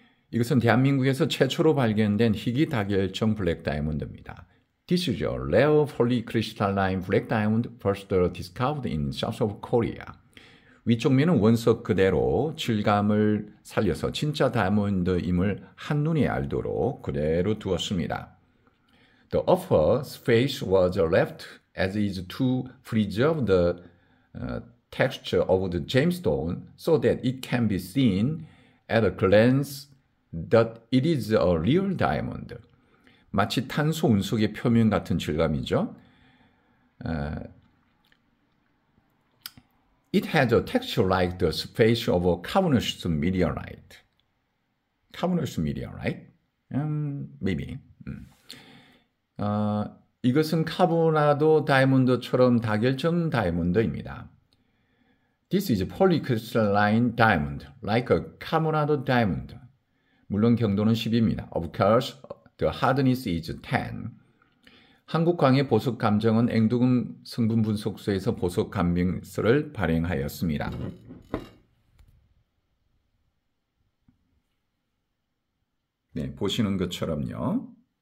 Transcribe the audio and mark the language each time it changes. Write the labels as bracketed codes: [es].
[ko] 이것은 대한민국에서 최초로 발견된 희귀 다결정 블랙 다이아몬드입니다. [en] This is a rare polycrystalline black diamond first discovered in South of Korea. [ko] 위쪽 면은 원석 그대로 질감을 살려서 진짜 다이아몬드임을 한눈에 알도록 그대로 두었습니다. [en] The upper face was left as is to preserve the texture of the gemstone so that it can be seen at a glance that it is a real diamond. [ko] 마치 탄소 운석의 표면 같은 질감이죠. [en] It has a texture like the surface of a carbonaceous meteorite. Carbonaceous meteorite? Maybe. [ko] 이것은 카보나도 다이아몬드처럼 다결정 다이아몬드입니다. [en] This is a polycrystalline diamond, like a carbonado diamond. [ko] 물론 경도는 10입니다. [en] Of course, The hardness is 10. [ko] 한국광역보석감정원 앵두금 성분분석소에서 보석 감별서를 발행하였습니다. 네, 보시는 것처럼요.